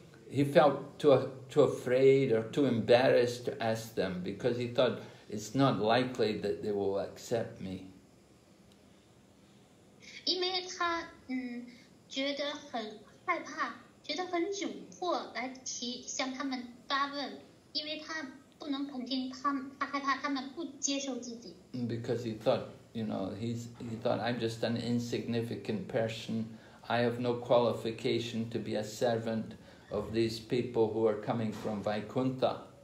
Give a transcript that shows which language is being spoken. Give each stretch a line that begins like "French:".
English: he felt too afraid or too embarrassed to ask them because he thought it's not likely that they will accept me.
Chinese: 因为他觉得很害怕，觉得很窘迫来提向他们发问，因为他不能肯定他害怕他们不接受自己.
English: Because he thought, you know, he thought I'm just an insignificant person. I have no qualification to be a servant of these people who are coming from Vaikuntha.